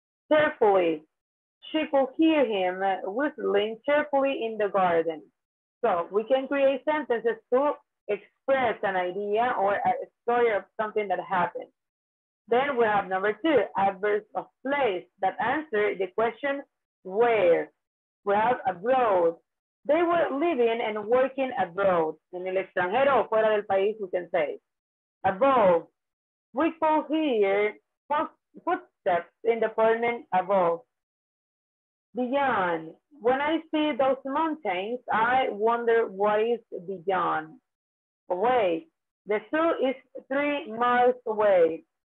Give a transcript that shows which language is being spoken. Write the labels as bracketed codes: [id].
[en] Carefully, she could hear him whistling cheerfully in the garden. So we can create sentences to express an idea or a story of something that happened. Then we have number two, adverbs of place that answer the question where. We have abroad. They were living and working abroad. [es] En el extranjero, fuera del país, [en] we can say. Above, we could hear footsteps in the apartment above. Beyond, when I see those mountains, I wonder what is beyond. Away, the zoo is 3 miles away.